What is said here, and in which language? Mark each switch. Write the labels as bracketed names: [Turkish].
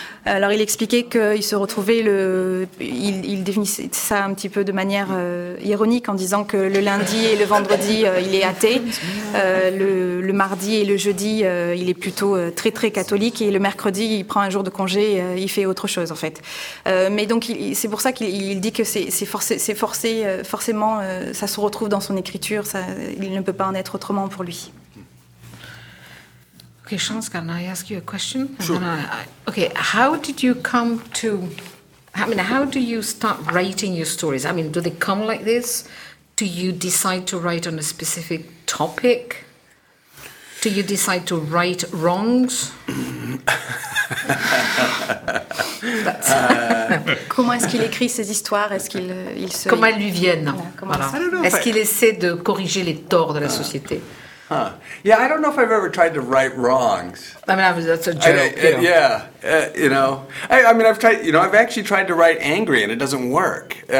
[French] Alors il expliquait qu'il se retrouvait il définissait ça un petit peu de manière ironique en disant que le lundi et le vendredi il est athée, le mardi et le jeudi il est plutôt très très catholique, et le mercredi il prend un jour de congé, il fait autre chose en fait. Mais donc c'est pour ça qu'il dit que c'est forcément ça se retrouve dans son écriture, ça, il ne peut pas en être autrement pour lui. [English] Okay, Chance, can I ask you a question? Sure. Okay, how did you come to... I mean, how do you start writing your stories? I mean, do they come like this? Do you decide to write on a specific topic? Do you decide to right wrongs? [French] Comment est-ce qu'il écrit ses histoires? Est-ce qu'il se... Comment elles lui viennent? Est-ce qu'il essaie de corriger les torts de la société? Huh. [English] Yeah, I don't know if I've ever tried to right wrongs. I mean, that's a joke. I've actually tried to write angry, and it doesn't work.